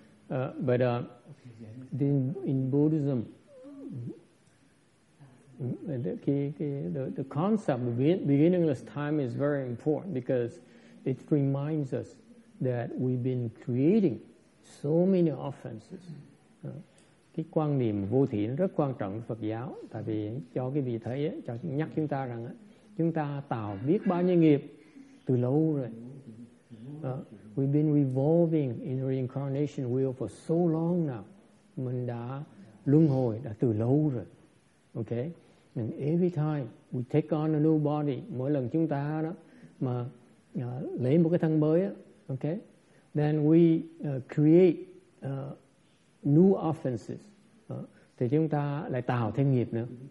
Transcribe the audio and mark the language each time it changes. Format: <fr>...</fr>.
<en>In Buddhism, the concept of beginningless time is very important because it reminds us that we've been creating so many offenses.</en> <vi>Cái quan niệm vô thủy nó rất quan trọng với Phật giáo, tại vì cho cái vị thấy ấy, cho nhắc chúng ta rằng ấy, chúng ta tạo biết bao nhiêu nghiệp từ lâu rồi.</vi> <en>We've been revolving in reincarnation wheel for so long now.</en> <vi>Mình đã luân hồi đã từ lâu rồi. Okay?</vi> <en>And every time we take on a new body,</en> <vi>mỗi lần chúng ta đó mà lấy một cái thân mới ấy, okay?</vi> <en>Then we create new offenses,</en> <vi>thì chúng ta lại tạo thêm nghiệp nữa.</vi>